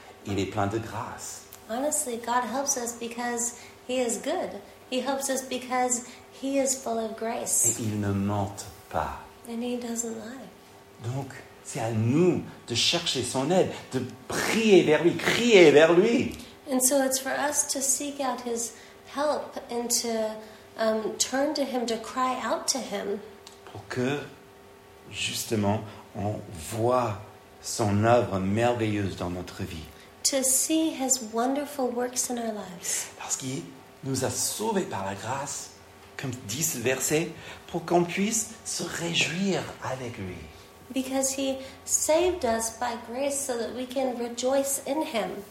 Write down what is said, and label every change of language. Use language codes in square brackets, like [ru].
[fr] Il est plein de grâce. [en] Honestly, God helps us because he is good. He helps us because he is full of grace. [fr] Et il ne ment pas. [en] And he doesn't lie. [fr] Donc, c'est à nous de chercher son aide, de prier vers lui, crier vers lui. [en] And so it's for us to seek out his help and to turn to him, to cry out to him. [fr] Pour que, justement, on voit son œuvre merveilleuse dans notre vie. [en] To see his wonderful works in our lives. [fr] Parce qu'il nous a sauvés par la grâce, comme dit ce verset, pour qu'on puisse se réjouir avec lui. [en] Because he saved us by grace so that we can rejoice in him.